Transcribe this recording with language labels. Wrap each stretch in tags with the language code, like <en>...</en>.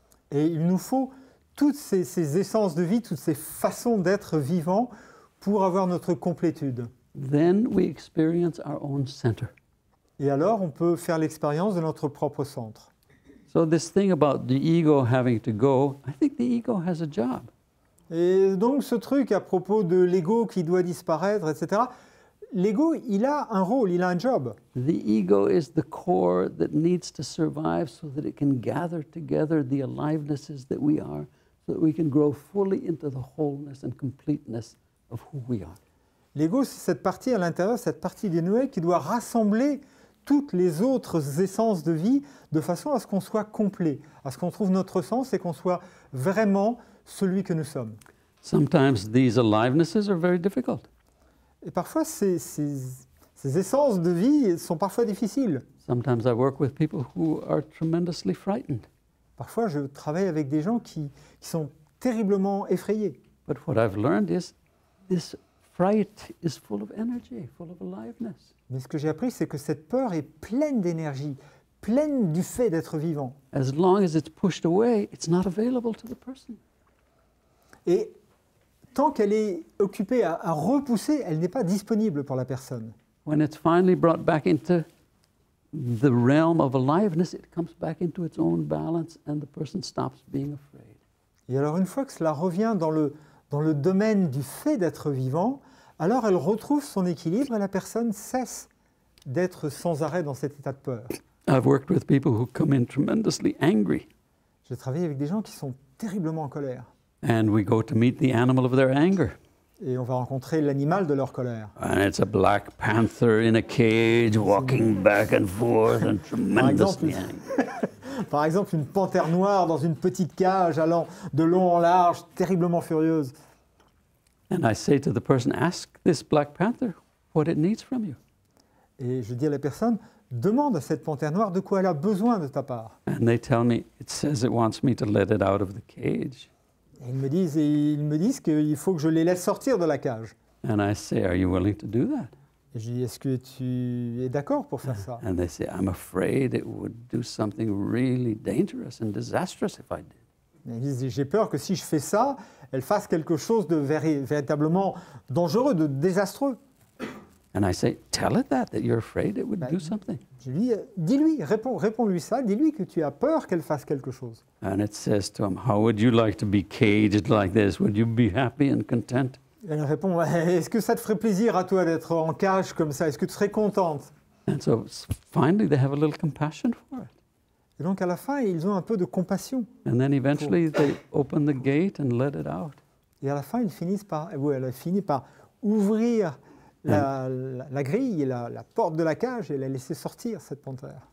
<fr>Et il nous faut toutes ces essences de vie, toutes ces façons d'être vivant pour avoir notre complétude.</fr> <en>Then we experience our own center.</en> <fr>Et alors on peut faire l'expérience de notre propre centre.</fr> <en>So this thing about the ego having to go, I think the ego has a job.</en> <fr>Et donc ce truc à propos de l'ego qui doit disparaître, etc. L'ego, il a un rôle, il a un job.</fr> <en>The ego is the core that needs to survive so that it can gather together the alivenesses that we are, so that we can grow fully into the wholeness and completeness of who we are.</en> <fr>L'ego, c'est cette partie à l'intérieur, cette partie des nouées qui doit rassembler toutes les autres essences de vie de façon à ce qu'on soit complet, à ce qu'on trouve notre sens et qu'on soit vraiment celui que nous sommes.</fr> <en>Sometimes these alivenesses are very difficult.</en> <fr>Et parfois ces essences de vie sont parfois difficiles.</fr> <en>Sometimes I work with people who are tremendously frightened.</en> <fr>Parfois je travaille avec des gens qui sont terriblement effrayés.</fr> <en>But what I've learned is this fright is full of energy, full of aliveness.</en> <fr>Mais ce que j'ai appris c'est que cette peur est pleine d'énergie, pleine du fait d'être vivant.</fr> <en>As long as it's pushed away, it's not available to the person.</en> <fr>Et tant qu'elle est occupée à repousser, elle n'est pas disponible pour la personne.</fr> <en>When it's finally brought back into the realm of aliveness, it comes back into its own balance and the person stops being afraid.</en> <fr>Et alors une fois que cela revient dans le domaine du fait d'être vivant, alors elle retrouve son équilibre et la personne cesse d'être sans arrêt dans cet état de peur.</fr> <en>I've worked with people who come in tremendously angry.</en> <fr>J'ai travaillé avec des gens qui sont terriblement en colère.</fr> <en>And we go to meet the animal of their anger.</en> <fr>et on va rencontrer l'animal de leur colère.</fr> <en>And it's a black panther in a cage walking back and forth and tremendously angry.</en> <fr>Par exemple, une panthère noire dans une petite cage allant de long en large, terriblement furieuse.</fr> <en>And I say to the person, ask this black panther what it needs from you.</en> <fr>Et je dis à la personne, demande à cette panthère noire de quoi elle a besoin de ta part.</fr> <en>And they tell me, it says it wants me to let it out of the cage.</en> <fr>Et ils me disent qu'il faut que je les laisse sortir de la cage.</fr> <en>And I say, are you willing to do that?</en> <fr>Et je dis, est-ce que tu es d'accord pour faire ça?</fr> <en>And they say, I'm afraid it would do something really dangerous and disastrous if I did.</en> <fr>Ils disent, j'ai peur que si je fais ça, elle fasse quelque chose de véritablement dangereux, de désastreux.</fr> <en>And I say, tell it that you're afraid it would do something.</en> <fr>Je lui dis, dis-lui, réponds-lui ça, dis-lui que tu as peur qu'elle fasse quelque chose.</fr> <en>And it says to him, how would you like to be caged like this? Would you be happy and content?</en> <fr>Elle répond, est-ce que ça te ferait plaisir à toi d'être en cage comme ça? Est-ce que tu serais contente?</fr> <en>And so finally they have a little compassion for it.</en> <fr>Et donc à la fin, ils ont un peu de compassion.</fr> <en>And then eventually they open the gate and let it out.</en> <fr>Et à la fin, elle finit par ouvrir la grille, la porte de la cage, et la laisser sortir cette panthère.</fr>